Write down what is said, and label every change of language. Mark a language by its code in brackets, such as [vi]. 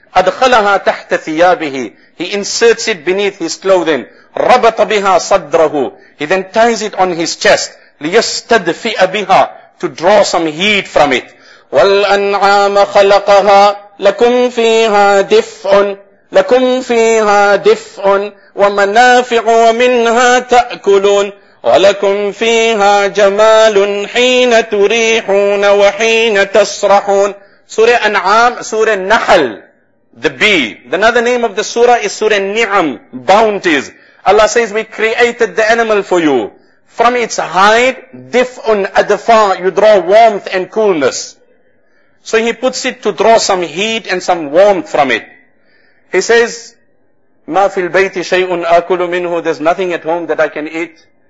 [ar] أَدْخَلَهَا تَحْتَ ثِيَابِهِ. [en] He inserts it beneath his clothing. [ar] رَبَطَ بِهَا صَدْرَهُ. [en] He then ties it on his chest. [ar] لِيَسْتَدْفِئَ بِهَا. [en] To draw some heat from it. [ar] وَالْأَنْعَامَ خَلَقَهَا لَكُمْ فِيهَا دِفْءٌ. لكم فيها دفء ومنافع ومنها تأكلون ولكم فيها جمال حين تريحون وحين تسرحون. سورة أنعام, سورة النحل, [en] the bee. Another name of the surah is Surah Ni'am, bounties. Allah says, we created the animal for you. From its hide, dif'un adfa, you draw warmth and coolness. So he puts it to draw some heat and some warmth from it. He says, [ar] ma fi al-bayti shay'un akulu minhu, [en] there's nothing at home that I can eat.